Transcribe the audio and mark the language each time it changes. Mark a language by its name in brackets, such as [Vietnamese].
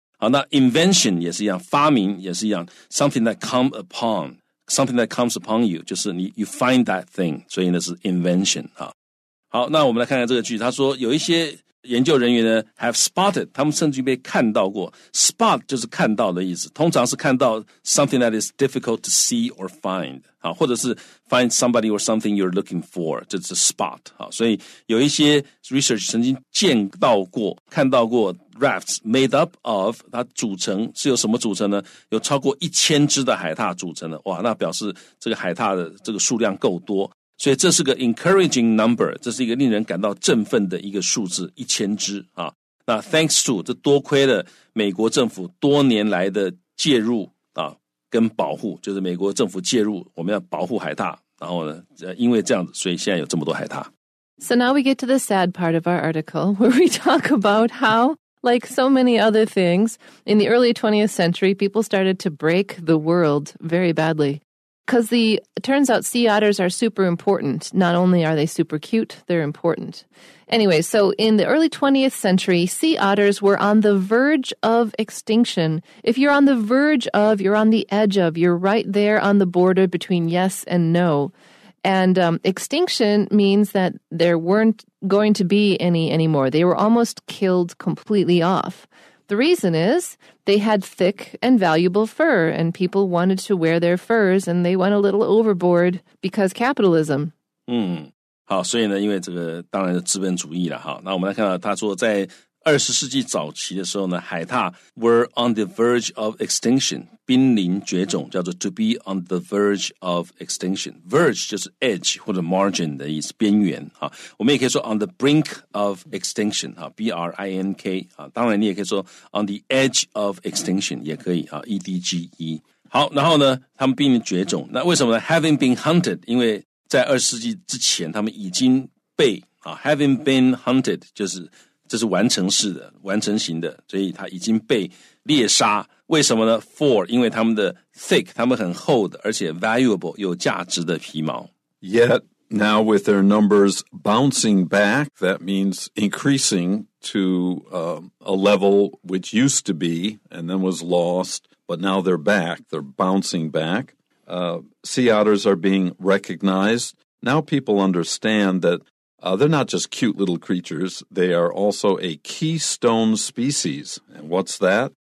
[Chinese] 好，那 invention 也是一样，发明也是一样 ， [English] something that come upon。 Something that comes upon you, [Chinese] 就是你 [English] you find that thing, [Chinese] 所以那是 invention. 好，那我们来看看这个句子，他说有一些研究人员呢 [English] have spotted, [Chinese] 他们甚至被看到过。 spot 就是看到的意思，通常是看到 [English] something that is difficult to see or find, [Chinese] 好，或者是 [English] find somebody or something you're looking for, [Chinese] 这是 spot, 好，所以有一些 research 曾经见到过，看到过 [English] rafts made up of, [Chinese] 它组成是有什么组成呢？有超过1000只的海獭组成的，哇，那表示这个海獭的这个数量够多。所以这是个 [English] encouraging number, [Chinese] 这是一个令人感到振奋的一个数字，1000只啊。那 [English] thanks to, [Chinese] 这多亏了美国政府多年来的介入啊跟保护，就是美国政府介入，我们要保护海獭，然后呢因为这样子，所以现在有这么多海獭。 [English] So now we get to the sad part of our article, where we talk about how, like so many other things, in the early 20th century, people started to break the world very badly. Because it turns out sea otters are super important. Not only are they super cute, they're important. Anyway, so in the early 20th century, sea otters were on the verge of extinction. If you're on the verge of, you're on the edge of, you're right there on the border between yes and no. And extinction means that there weren't going to be any anymore. They were almost killed completely off. The reason is they had thick and valuable fur, and people wanted to wear their furs, and they went a little overboard because capitalism. [Chinese] 嗯，好，所以呢，因为这个当然是资本主义了哈。那我们来看到他说，在20世纪早期的时候呢，海獭 [English] were on the verge of extinction, [Chinese] 濒临绝种，叫做 [English] to be on the verge of extinction. [Chinese] Verge 就是 edge 或者 margin 的意思，边缘啊。我们也可以说 [English] on the brink of extinction, [Chinese] 啊 ，b r i n k 啊。当然，你也可以说 [English] on the edge of extinction [Chinese] 也可以啊 ，e d g e。好，然后呢，他们濒临绝种，那为什么呢 ？ [English] Having been hunted, [Chinese] 因为在二十世纪之前，他们已经被啊 ， [English] having been hunted [Chinese] 就是。这是完成式的完成型的所以它已经被猎杀为什么呢 For 因为它们的 thick 它们很厚的而且 valuable 有价值的皮毛 [English] Yet now with their numbers bouncing back that means increasing to a level which used to be and then was lost but now they're back they're bouncing back sea otters are being recognized now people understand thatthey're not just cute little creatures, they are also a keystone species. And what's that?